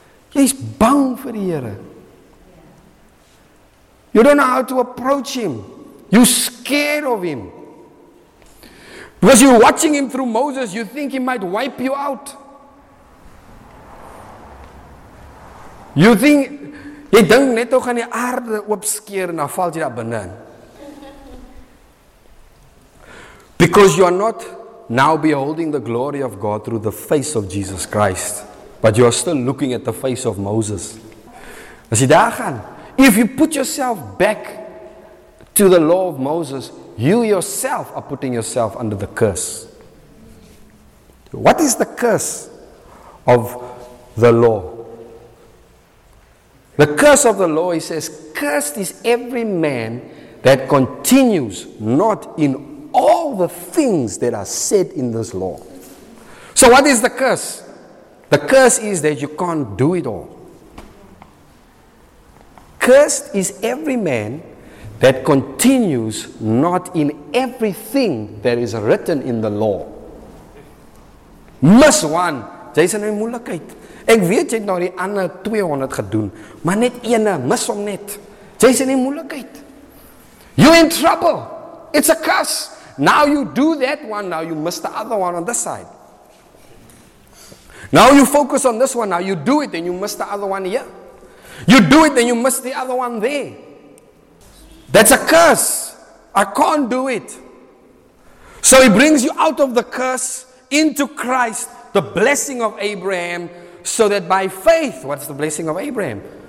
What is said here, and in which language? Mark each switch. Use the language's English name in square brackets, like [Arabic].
[English] He's bound for the Here. You don't know how to approach Him. You're scared of Him. Because you're watching Him through Moses, you think He might wipe you out. You think, [Afrikaans] jy dink net gaan die aarde oopskeer en dan val jy daar binne. [English] Because you are not now beholding the glory of God through the face of Jesus Christ, but you are still looking at the face of Moses. [Afrikaans] As jy daar gaan, [English] if you put yourself back to the law of Moses, you yourself are putting yourself under the curse. What is the curse of the law? The curse of the law, he says, cursed is every man that continues not in all the things that are said in this law. So what is the curse? The curse is that you can't do it all. Cursed is every man that continues not in everything that is written in the law. Mis one. [Afrikaans] Jy is in die moeilikheid. Ek weet jy het nou die ander 200 gedoen. Maar net ene, mis hom net. Jy is in die moeilikheid. [English] You in trouble. It's a curse. Now you do that one, now you miss the other one on this side. Now you focus on this one, now you do it, then you miss the other one here. You do it, then you miss the other one there. That's a curse. I can't do it. So he brings you out of the curse into Christ, the blessing of Abraham, so that by faith, what's the blessing of Abraham?